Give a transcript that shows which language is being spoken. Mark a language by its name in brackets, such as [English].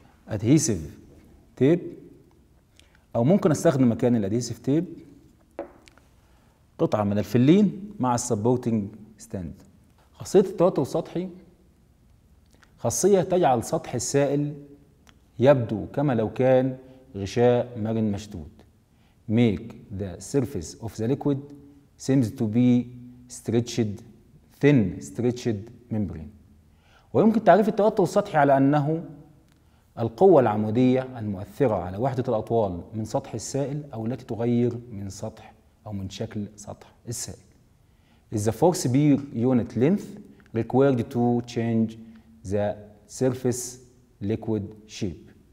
[Arabic] Adhesive Tape، أو ممكن أستخدم مكان الأدهيسيف تيب قطعة من الفلين مع Supporting Stand. خاصية التوتر السطحي، خاصية تجعل سطح السائل يبدو كما لو كان غشاء مرن مشدود. [English] Make the surface of the liquid seems to be stretched, thin stretched membrane. [Arabic] ويمكن تعريف التوتر السطحي على أنه القوة العمودية المؤثرة على وحدة الأطوال من سطح السائل أو التي تغير من سطح أو من شكل سطح السائل. [English] Is the force per unit length required to change the surface liquid shape.